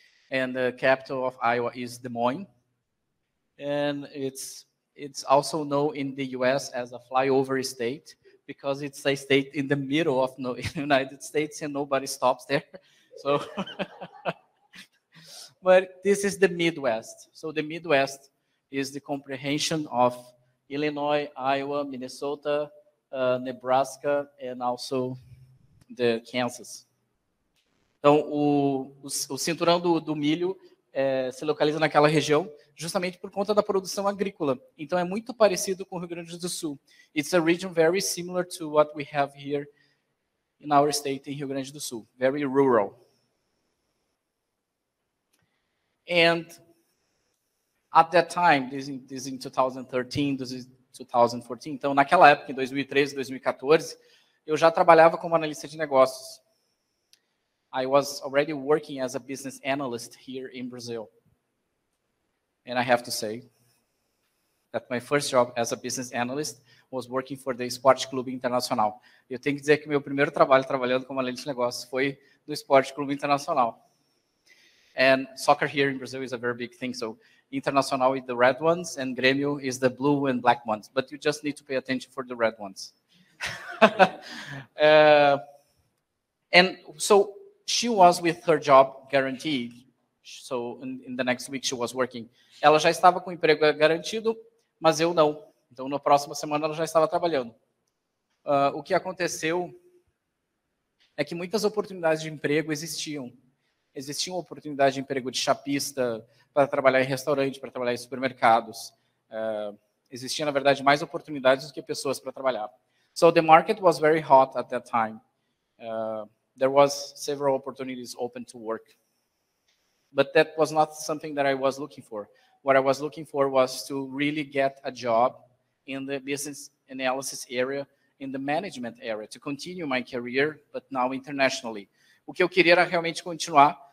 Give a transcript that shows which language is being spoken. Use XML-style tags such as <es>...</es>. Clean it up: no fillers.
<en>And the capital of Iowa is Des Moines. And it's also known in the US as a flyover state because it's a state in the middle of the United States and nobody stops there. So, but this is the Midwest. So the Midwest is the comprehension of Illinois, Iowa, Minnesota, Nebraska, and also the Kansas.</en> <pt>Então, o cinturão do milho se localiza naquela região justamente por conta da produção agrícola. Então, é muito parecido com o Rio Grande do Sul.</pt> <en>It's a region very similar to what we have here in our state, in Rio Grande do Sul. Very rural. And at that time, this is in 2013, this is 2014.</en> <pt>Então, naquela época, em 2013, 2014, eu já trabalhava como analista de negócios.</pt> <en>I was already working as a business analyst here in Brazil. And I have to say that my first job as a business analyst was working for the Esporte Clube Internacional.</en> <pt>Eu tenho que dizer que meu primeiro trabalho trabalhando como analista de negócios foi no Esporte Clube Internacional.</pt> <en>And soccer here in Brazil is a very big thing. So Internacional is the red ones and Grêmio is the blue and black ones. But you just need to pay attention for the red ones. And so she was with her job guaranteed. So in the next week she was working.</en> <pt>Ela já estava com o emprego garantido, mas eu não. Então, na próxima semana, ela já estava trabalhando. O que aconteceu é que muitas oportunidades de emprego existiam. Existiam oportunidades de emprego de chapista, para trabalhar em restaurante, para trabalhar em supermercados. Existiam, na verdade, mais oportunidades do que pessoas para trabalhar.</pt> <en>So, the market was very hot at that time. There was several opportunities open to work. But that was not something that I was looking for. What I was looking for was to really get a job in the business analysis area, in the management area, to continue my career, but now internationally.</en> <pt>O que eu queria era realmente continuar</pt>